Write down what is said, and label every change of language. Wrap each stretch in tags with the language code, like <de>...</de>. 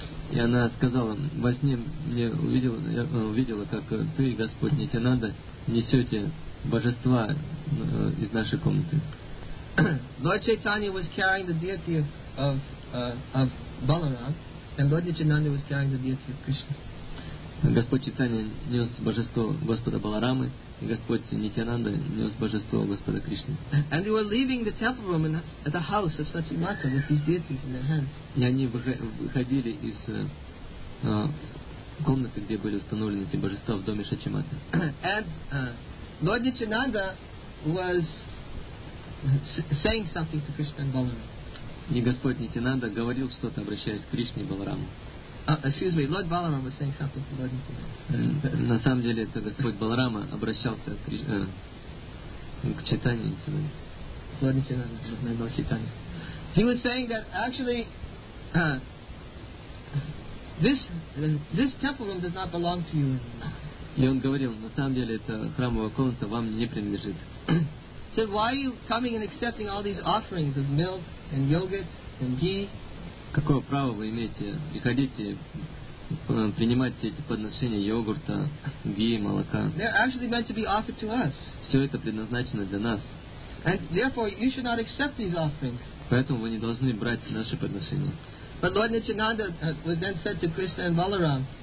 <ru>И она сказала, во сне мне увидела, как ты и Господь Нитянанда несете божества из нашей комнаты.</ru> <en>Lord Chaitanya was carrying the deity of Balaram, and Lord Nityananda was carrying the deity of Krishna.</en> <ru>Господь Чайтанья нес божество Господа Баларамы, и Господь Нитянанда нес божество Господа Кришны.</ru> <en>And they were leaving the temple room in the house of Sachi Mata with these deities in their hands.</en> <ru>И они выходили из комнаты, где были установлены эти божества в доме Сачи Мата.</ru> <en>And Lord Nityananda was saying something to Krishna and Balaram.</en> <ru>И Господь Нитянанда говорил что-то, обращаясь к Кришне и Балараму.</ru> <en>Lord Balaram was saying something to Lord Nityananda.</en> <ru>На самом деле, это Господь Баларама обращался к Чайтанье Нитянанде.</ru> <en>Lord Nityananda, remember Chaitanya. He was saying that actually, this temple room does not belong to you.</en> <ru>И он говорил, на самом деле, это храмовая комната вам не принадлежит.</ru> <en>So why are you coming and accepting all these offerings of milk and yogurt and ghee?</en> <ru>Какое право вы имеете приходить и принимать эти подношения йогурта, ги, молока?</ru> <en>They're actually meant to be offered to us.</en> <ru>Все это предназначено для нас.</ru> <en>And therefore, you should not accept these offerings.</en> <ru>Поэтому вы не должны брать наши подношения.</ru> <en>But Lord Nityananda was then said to Krishna and Balaram.</en>